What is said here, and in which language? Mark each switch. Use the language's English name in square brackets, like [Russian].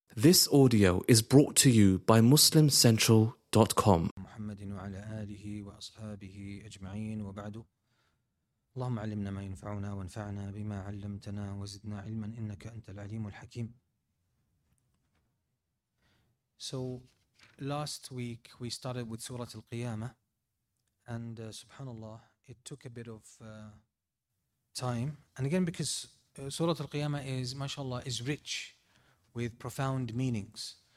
[English] This audio is brought to you by MuslimCentral.com. [Arabic] محمد وعلى آله وأصحابه أجمعين وبعد. اللهم علمنا ما ينفعنا وانفعنا بما علمتنا وزدنا علما إنك أنت العليم الحكيم. [English] So last week we started with Surah Al-Qiyamah, and subhanallah, it took a bit of time. And again, because Surah Al-Qiyamah is, mashallah, is rich with profound meanings.